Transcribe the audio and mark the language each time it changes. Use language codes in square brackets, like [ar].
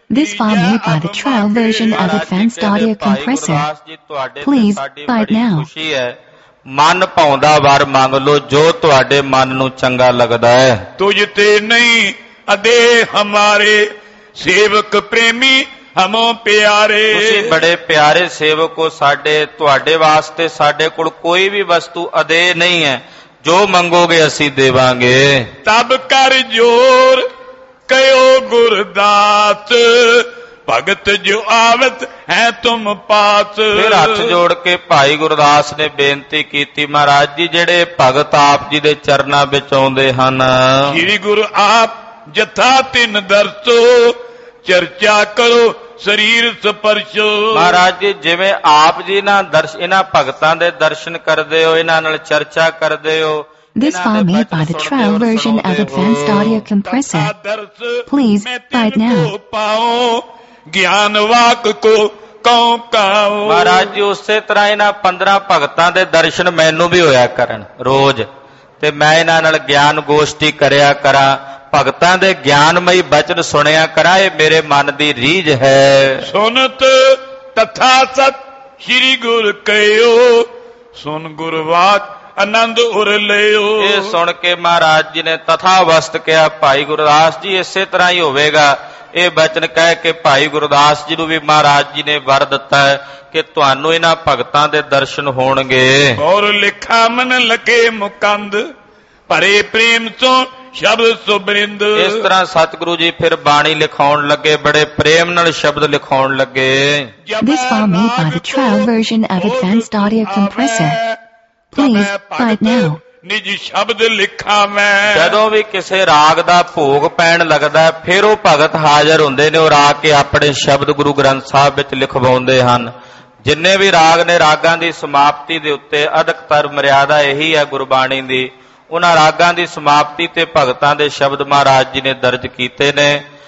[en] This file made by the trial version of Advanced Audio Compressor. Please, buy it now. [pa] ਮਨ ਪਾਉਂਦਾ ਵਰ ਮੰਗ ਲੋ ਜੋ ਤੁਹਾਡੇ ਮਨ ਨੂੰ ਚੰਗਾ ਲੱਗਦਾ ਹੈ ਤੁਝ ਤੇ ਨਹੀਂ ਅਦੇ ਹਮਾਰੇ ਸੇਵਕ ਪ੍ਰੇਮੀ ਹਮੋ ਪਿਆਰੇ ਤੁਸੀਂ ਬੜੇ ਪਿਆਰੇ ਸੇਵਕ ਹੋ ਸਾਡੇ ਤੁਹਾਡੇ ਵਾਸਤੇ ਸਾਡੇ ਕੋਲ ਕੋਈ ਵੀ ਵਸਤੂ ਅਦੇ ਨਹੀਂ ਹੈ ਜੋ ਮੰਗੋਗੇ ਅਸੀਂ ਦੇਵਾਂਗੇ ਤਬ ਕਰ ਜੋਰ ਕਯੋ ਗੁਰਦਾਸ ਭਗਤ ਜੋ ਆਵਤ ਹੈ ਤੁਮ ਪਾਸ ਫਿਰ ਹੱਥ ਜੋੜ ਕੇ ਭਾਈ ਗੁਰਦਾਸ ਨੇ ਬੇਨਤੀ ਕੀਤੀ ਮਹਾਰਾਜ ਜੀ ਜਿਹੜੇ ਭਗਤ ਆਪ ਜੀ ਦੇ ਚਰਨਾਂ ਵਿੱਚ ਆਉਂਦੇ ਹਨ ਸ੍ਰੀ ਗੁਰੂ ਆਪ ਜਥਾ ਤਿੰਨ ਦਰਸੋ ਚਰਚਾ ਕਰੋ ਸਰੀਰ ਸਪਰਸ਼ੋ ਮਹਾਰਾਜ ਜੀ ਜਿਵੇਂ ਆਪ ਜੀ ਨਾਲ ਦਰਸ਼ ਇਹਨਾਂ ਭਗਤਾਂ ਦੇ ਦਰਸ਼ਨ ਕਰਦੇ ਹੋ ਇਹਨਾਂ ਨਾਲ ਚਰਚਾ ਕਰਦੇ ਹੋ [en] This file made by the trial version of Advanced Audio Compressor. Please, buy it now. [pa] ਗਿਆਨ ਵਾਕ ਕੋ ਕਉ ਕਾਉ ਮਹਾਰਾਜ ਜੀ ਉਸੇ ਤਰ੍ਹਾਂ ਇਹਨਾਂ 15 ਭਗਤਾਂ ਦੇ ਦਰਸ਼ਨ ਮੈਨੂੰ ਵੀ ਹੋਇਆ ਕਰਨ ਰੋਜ਼ ਤੇ ਮੈਂ ਇਹਨਾਂ ਨਾਲ ਗਿਆਨ ਗੋਸ਼ਟੀ ਕਰਿਆ ਕਰਾਂ ਭਗਤਾਂ ਦੇ ਗਿਆਨਮਈ ਬਚਨ ਸੁਣਿਆ ਕਰਾਂ ਇਹ ਮੇਰੇ ਮਨ ਦੀ ਰੀਝ ਹੈ ਸੁਨਤ ਤਥਾ ਸਤ ਸ੍ਰੀ ਗੁਰ ਕਹਿਓ ਸੁਨ ਗੁਰ ਵਾਕ ਆਨੰਦ ਉਰ ਲਿਓ ਇਹ ਸੁਣ ਕੇ ਮਹਾਰਾਜ ਜੀ ਨੇ ਤਥਾ ਵਸਤ ਕਿਹਾ ਭਾਈ ਗੁਰਦਾਸ ਜੀ ਇਸੇ ਤਰ੍ਹਾਂ ਹੀ ਹੋਵੇਗਾ ਇਹ ਬਚਨ ਕਹਿ ਕੇ ਭਾਈ ਗੁਰਦਾਸ ਜੀ ਨੂੰ ਵੀ ਮਹਾਰਾਜ ਜੀ ਨੇ ਵਰ ਦਿੱਤਾ ਕਿ ਤੁਹਾਨੂੰ ਇਹਨਾਂ ਭਗਤਾਂ ਦੇ ਦਰਸ਼ਨ ਹੋਣਗੇ। ਔਰ ਲਿਖਾ ਮਨ ਲਗੇ ਮੁਕੰਦ ਭਰੇ ਪ੍ਰੇਮ ਤੋਂ ਸ਼ਬਦ ਸੁਬਰਿੰਦ। ਇਸ ਤਰ੍ਹਾਂ ਸਤਿਗੁਰੂ ਜੀ ਫਿਰ ਬਾਣੀ ਲਿਖਾਉਣ ਲੱਗੇ, ਬੜੇ ਪ੍ਰੇਮ ਨਾਲ ਸ਼ਬਦ ਲਿਖਾਉਣ ਲੱਗੇ। [en] This file made by the trial version of Advanced Audio Compressor. Please write now. [pa] ਨਿਜ ਸ਼ਬਦ ਲਿਖਾ ਮੈਂ। ਜਦੋਂ ਵੀ ਕਿਸੇ ਰਾਗ ਦਾ ਭੋਗ ਪੈਣ ਲੱਗਦਾ ਫਿਰ ਉਹ ਭਗਤ ਹਾਜ਼ਰ ਹੁੰਦੇ ਨੇ, ਉਹ ਰਾਗ ਕੇ ਆਪਣੇ ਸ਼ਬਦ ਗੁਰੂ ਗ੍ਰੰਥ ਸਾਹਿਬ ਵਿੱਚ ਲਿਖਵਾਉਂਦੇ ਹਨ। ਜਿੰਨੇ ਵੀ ਰਾਗ ਨੇ ਰਾਗਾਂ ਦੀ ਸਮਾਪਤੀ ਦੇ ਉੱਤੇ ਅਧਿਕਤਰ ਮਰਿਆਦਾ ਇਹੀ ਹੈ ਗੁਰਬਾਣੀ ਦੀ, ਉਹਨਾਂ ਰਾਗਾਂ ਦੀ ਸਮਾਪਤੀ ਤੇ ਭਗਤਾਂ ਦੇ ਸ਼ਬਦ ਮਹਾਰਾਜ ਜੀ ਨੇ ਦਰਜ ਕੀਤੇ ਨੇ।